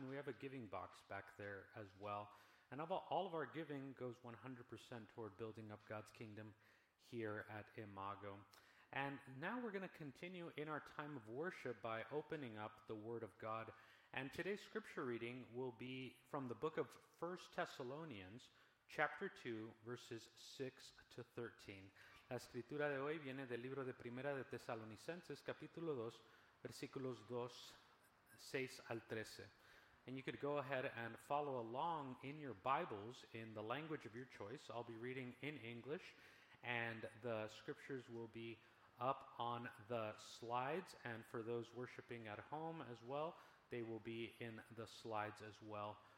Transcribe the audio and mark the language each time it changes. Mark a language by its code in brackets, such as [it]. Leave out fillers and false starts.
[en] And we have a giving box back there as well. And all of our giving goes 100% toward building up God's kingdom here at Imago. And now we're going to continue in our time of worship by opening up the Word of God. And today's scripture reading will be from the book of 1 Thessalonians, chapter 2, verses 6 to 13. [es] La escritura de hoy viene del libro de Primera de Tesalonicenses, capítulo 2, versículos 2, 6 al 13. [en] And you could go ahead and follow along in your Bibles in the language of your choice. I'll be reading in English, and the scriptures will be up on the slides. And for those worshiping at home as well, they will be in the slides as well.